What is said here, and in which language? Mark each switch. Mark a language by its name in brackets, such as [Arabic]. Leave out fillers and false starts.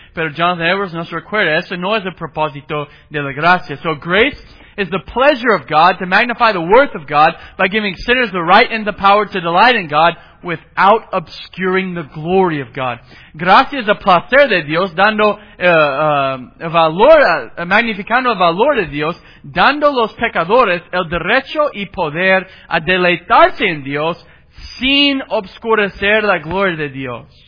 [Spanish] Pero Jonathan Edwards nos recuerda, eso no es el propósito de la gracia. [English] So grace is the pleasure of God to magnify the worth of God by giving sinners the right and the power to delight in God without obscuring the glory of God. [Spanish] Gracia es el placer de Dios dando valor, magnificando el valor de Dios, dando los pecadores el derecho y poder a deleitarse en Dios sin obscurecer la gloria de Dios.